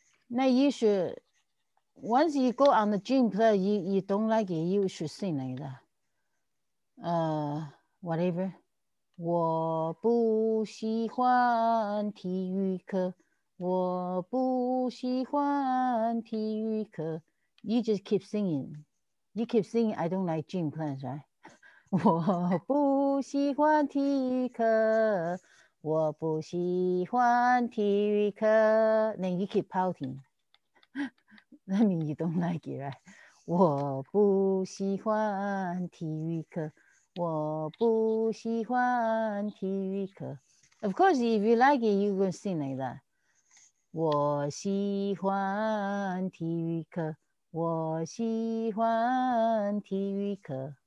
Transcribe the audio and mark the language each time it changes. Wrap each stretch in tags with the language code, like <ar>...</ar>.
<en>Now you should, once you go on the gym class, you don't like it, you should sing like that.</en> <zh>Whatever. 我不喜欢体育课。我不喜欢体育课。</zh> <en>You just keep singing. You keep singing, I don't like gym class, right?</en> <zh>我不喜欢体育课，我不喜欢体育课。</zh> <en>Then you keep pouting. That means you don't like it, right?</en> <zh>我不喜欢体育课，我不喜欢体育课。</zh> <en>Of course, if you like it, you're gonna sing like that.</en> <zh>我喜欢体育课，我喜欢体育课。</zh>